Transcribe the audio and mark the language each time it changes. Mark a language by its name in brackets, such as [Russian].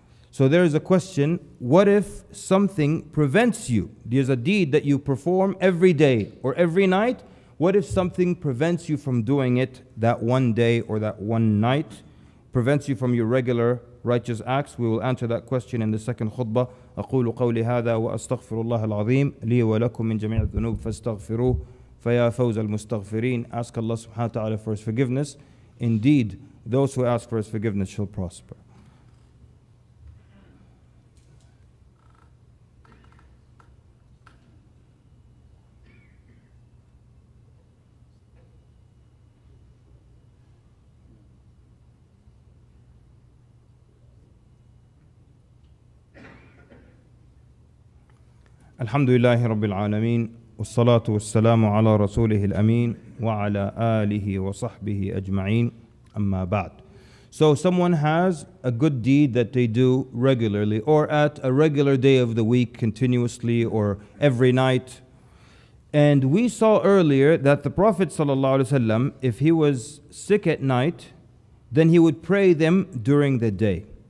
[English] So there is a question, what if something prevents you? There's a deed that you perform every day or every night. What if something prevents you from doing it that one day or that one night, prevents you from your regular righteous acts? We will answer that question in the second khutbah. [Arabic] أقول قولي هذا وأستغفر الله العظيم لي ولكم من جميع الذنوب فاستغفروه فيا فوز المستغفرين. [English] Ask Allah subhanahu wa ta'ala for his forgiveness. Indeed, Those who ask for his forgiveness shall prosper. [Arabic] الحمد لله رب العالمين والصلاة والسلام على رسوله الأمين وعلى آله وصحبه أجمعين أما بعد. [English] So someone has a good deed that they do regularly or at a regular day of the week continuously or every night. And we saw earlier that the Prophet صلى الله عليه وسلم, if he was sick at night, then he would pray them during the day.